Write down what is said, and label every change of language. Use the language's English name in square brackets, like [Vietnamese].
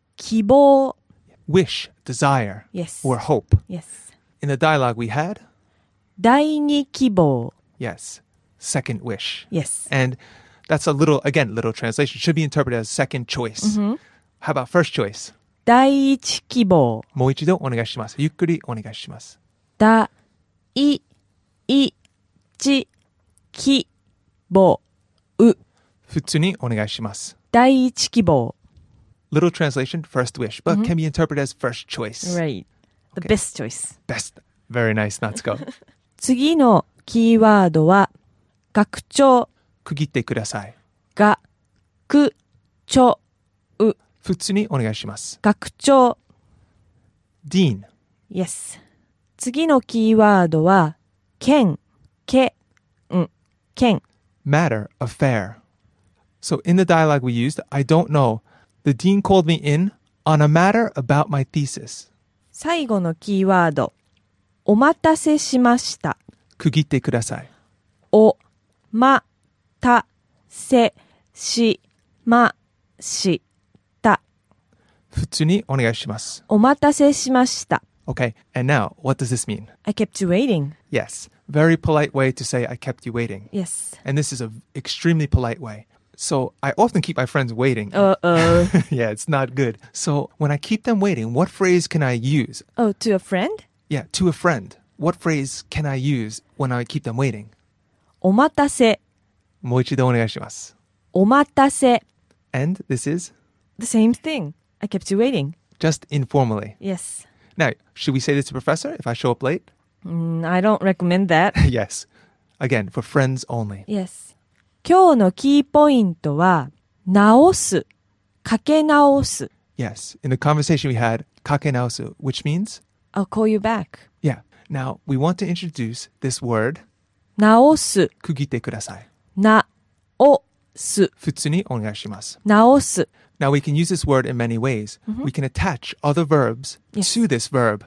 [Japanese] 希望。 [English] wish, desire. Yes. Or hope. Yes. In the dialogue we had? [Japanese] 第二希望。 [English] Yes. Second wish. Yes. And that's a little, again, little translation. Should be interpreted as second choice. Mm-hmm. How about first choice? [Japanese] 第一希望。もう一度お願いします。ゆっくりお願いします。第一希望。普通にお願いします。第一希望。 [English] Little translation, first wish, but、mm-hmm. can be interpreted as first choice. Right. The、okay. best choice. Best. Very nice. Let's go. [Japanese] 次のキーワードは、学長。区切ってください。学長。普通にお願いします。学長。 [English] Dean. [Japanese] Yes. 次のキーワードは、県。県。 [English] Matter, affair. So in the dialogue we used, I don't know. The dean called me in on a matter about my thesis. [Japanese] 最後のキーワード、お待たせしました。区切ってください。お、ま、た、せ、し、ま、し、た。普通にお願いします。お待たせしました。 [English] Okay, and now, what does this mean? I kept you waiting. Yes, very polite way to say I kept you waiting. Yes. And this is an extremely polite way. So I often keep my friends waiting. yeah, it's not good. So when I keep them waiting, what phrase can I use? Oh, to a friend? Yeah, to a friend. What phrase can I use when I keep them waiting? [Japanese] お待たせ。もう一度お願いします。お待たせ。 [English] And this is? The same thing. I kept you waiting. Just informally. Yes. Now, should we say this to professor if I show up late? I don't recommend that. yes. Again, for friends only. Yes. [Japanese] 今日のキーポイントは、直す、かけ直す。 [English] Yes, in the conversation we had, かけ直す, which means? I'll call you back. Yeah, now we want to introduce this word. [Japanese] 直す。区切ってください。な、お、す。普通にお願いします。直す。 [English] Now we can use this word in many ways.、Mm-hmm. We can attach other verbs、yes. to this verb.